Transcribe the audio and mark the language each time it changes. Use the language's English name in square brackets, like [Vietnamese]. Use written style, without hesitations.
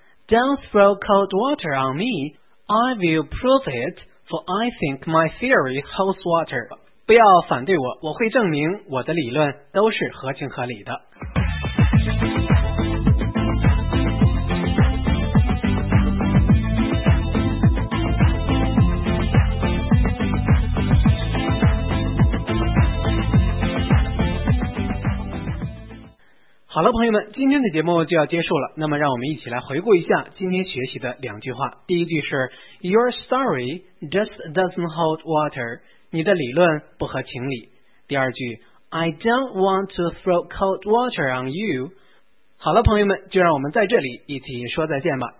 [English] Don't throw cold water on me, I will prove it, for I think my theory holds water. [Chinese] 不要反对我，我会证明我的理论都是合情合理的。好了，朋友们，今天的节目就要结束了。那么，让我们一起来回顾一下今天学习的两句话。第一句是 [English] Your story just doesn't hold water， [Chinese] 你的理论不合情理。第二句 [English] I don't want to throw cold water on you。 [Chinese] 好了，朋友们，就让我们在这里一起说再见吧。